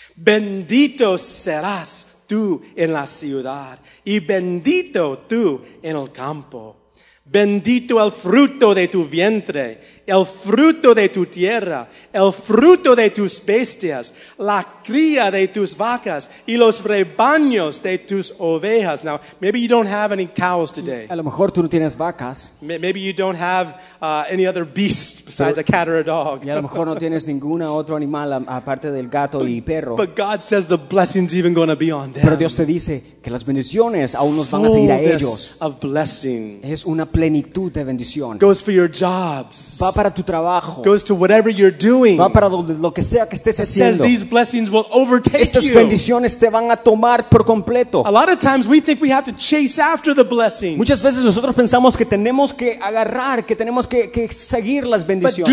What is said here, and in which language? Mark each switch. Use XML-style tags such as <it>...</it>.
<es>Bendito serás tú en la ciudad y bendito tú en el campo. Bendito el fruto de tu vientre, el fruto de tu tierra, el fruto de tus bestias, la cría de tus vacas y los rebaños de tus ovejas.</es> <en>Now, maybe you don't have any cows today.</en> <es>A lo mejor tú no tienes vacas.</es> <en>Maybe you don't have any other beast besides a cat or a dog.</en> <es>Y a lo mejor no tienes ningún otro animal aparte del gato y perro.</es> <en>But God says the blessing's even going to be on them.</en> <es>Pero Dios te dice que las bendiciones aún nos van a seguir a ellos.</es> <en>Fullness of blessing.</en> <es>Es una plenitud de bendición.</es> <en>Goes for your jobs.</en> <es>Va para tu trabajo.</es> <en>Goes to whatever you're doing.</en> <es>Va para lo que sea que estés haciendo.</es> <en>Says these blessings will overtake you.</en> <es>Estas bendiciones te van a tomar por completo.</es> <en>A lot of times we think we have to chase after the blessings.</en> <es>Muchas veces nosotros pensamos que tenemos que agarrar, que tenemos que seguir las bendiciones.</es>